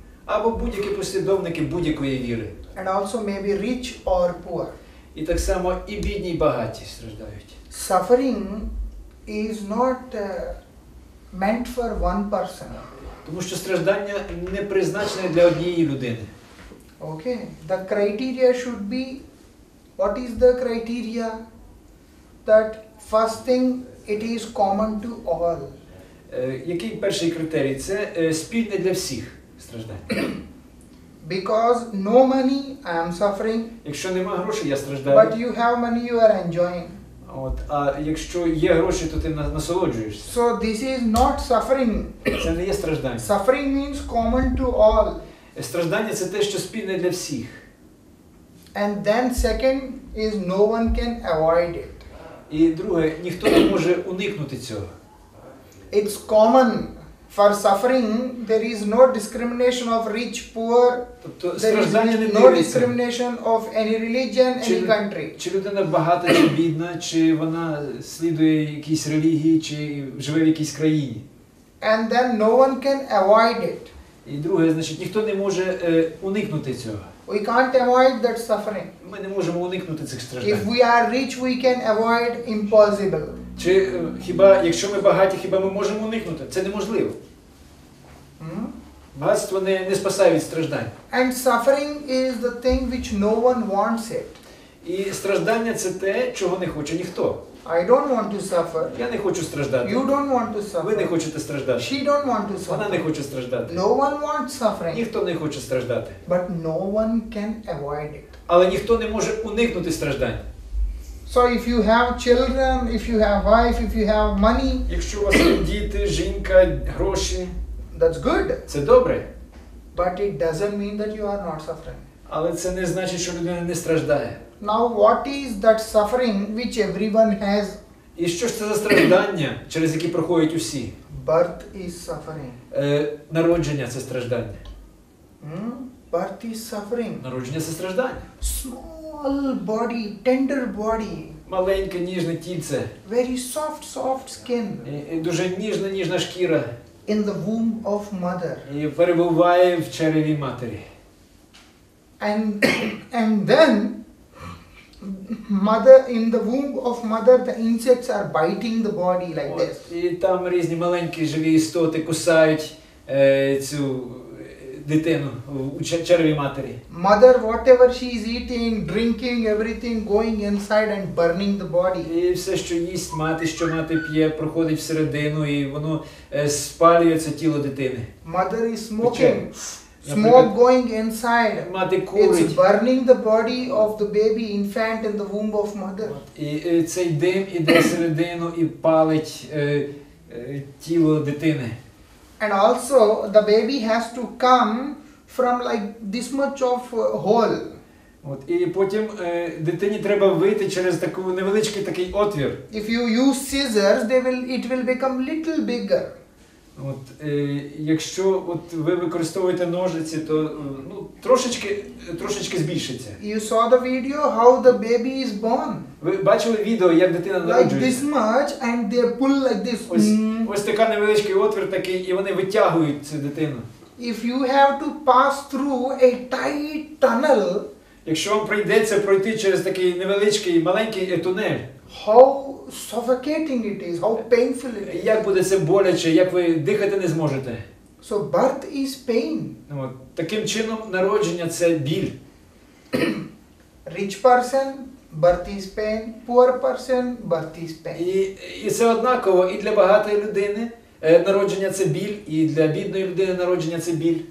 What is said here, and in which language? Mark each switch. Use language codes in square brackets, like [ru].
[uk] Або будь-які послідовники будь-якої віри. [en] And also maybe rich or poor. [uk] І так само і бідні, і багаті страждають. [en] Suffering is not meant for one person. [uk] Тому що страждання не призначене для однієї людини. [en] Okay. The criteria should be, what is the criteria? That first thing, it is common to all. [uk] Який перший критерій? Це спільне для всіх страждання. [en] Because no money, I am suffering. [uk] Якщо нема грошей, я страждаю. [en] But you have money, you are enjoying. [uk] От, а якщо є гроші, то ти насолоджуєшся. [en] So this is not suffering. [uk] Це не є страждання. [en] Suffering means common to all. [uk] Страждання – це те, що спільне для всіх. [en] And then second is no one can avoid it. [uk] І друге, ніхто не може уникнути цього. [en] It's common. For suffering, there is no discrimination of rich, poor, [uk] тобто, [en] there is no discrimination of any religion, any country. [uk] Чи людина багата, чи бідна, чи вона слідує якійсь релігії, чи живе в якійсь країні. [en] And then no one can avoid it. [uk] І друге, значить, ніхто не може уникнути цього. [en] We can't avoid that suffering. [uk] Ми не можемо уникнути цих страждань. [en] If we are rich, we can avoid impossible. [uk] Чи хіба, якщо ми багаті, хіба ми можемо уникнути? Це неможливо. Багатство не спасає від страждань. [en] And suffering is the thing which no one wants it. [uk] І страждання це те, чого не хоче ніхто. [en] I don't want to suffer. [uk] Я не хочу страждати. [en] You don't want to suffer. [uk] Ви не хочете страждати. [en] She don't want to suffer. [uk] Вона не хоче страждати. [en] No one wants suffering. [uk] Ніхто не хоче страждати. [en] But no one can avoid it. [uk] Але ніхто не може уникнути страждань. [en] So if you have children, if you have wife, if you have money, [uk] якщо у вас є діти, жінка, гроші, [en] that's good. [uk] Це добре. [en] But it doesn't mean that you are not suffering. [uk] Але це не значить, що людина не страждає. [en] Now what is that suffering which everyone has? [uk] І що ж це за страждання, через які проходять усі? [en] Birth is suffering. [uk] Народження це страждання. [en] Birth is suffering. [uk] Народження це страждання. [en] Small body, tender body. [uk] Маленьке ніжне тільце. [en] Very soft, soft skin. [uk] І дуже ніжна, ніжна шкіра. [en] In the womb of mother. [uk] І перебуває в череві матері. [en] And then mother in the womb of mother, the insects are biting the body like this. [uk] І там різні маленькі живі істоти кусають цю дитину у череві матері. [en] Mother, whatever she is eating, drinking, everything going inside and burning the body. [uk] І все, що їсть мати, що мати п'є, проходить всередину і воно спалюється тіло дитини. [en] Mother is smoking. Smoke going inside. [uk] Мати курить. [en] It's burning the body of the baby infant in the womb of mother. [uk] І цей дим іде всередину і палить тіло дитини. [en] And also the baby has to come from like this much of hole. [uk] От і потім дитині треба вийти через такий невеличкий такий отвір. [en] If you use scissors, it will become little bigger. [uk] От, якщо от ви використовуєте ножиці, то ну, трошечки збільшиться. [en] You saw the video how the baby is born. [uk] Ви бачили відео, як дитина народжується? [en] Like this much and they pull like this. [uk] Ось така невеличкий отвір такий, і вони витягують цю дитину. [en] If you have to pass through a tight tunnel. [uk] Якщо вам прийдеться пройти через такий невеличкий маленький тунель. [en] How suffocating it is, how painful it is. [uk] Як буде це боляче, як ви дихати не зможете. [en] So birth is pain. [uk] От, таким чином народження це біль. [en] Rich person, birth is pain, poor person, birth is pain. [uk] І це однаково і для багатої людини народження це біль, і для бідної людини народження це біль.